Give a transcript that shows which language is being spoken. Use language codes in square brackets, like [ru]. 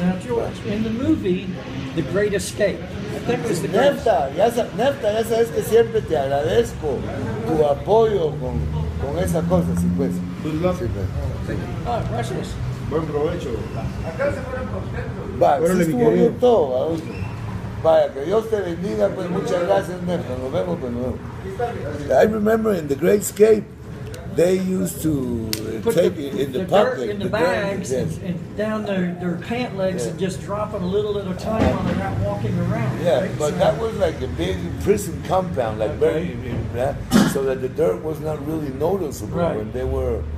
[en] Now, George, in the movie, The Great Escape, [es] Nefta, ya sabes que siempre te agradezco tu apoyo con esa cosa, si puedes. Sí, pues. Sí. Oh, gracias. Buen provecho. Acá se fueron contentos. Va, bueno, sí, estuvo querido. Bien todo, Augusto. Vaya, que Dios te bendiga, pues muchas gracias, Nefta. Nos vemos, pues nos vemos. [en] I remember in the Great Escape, they used to take the, in the dirt in the bags and down their pant legs, yeah, and just drop it a little at a time while they're not walking around. Yeah, right? But so that was like a big prison compound, like, okay, very, yeah, so that the dirt was not really noticeable, right, when they were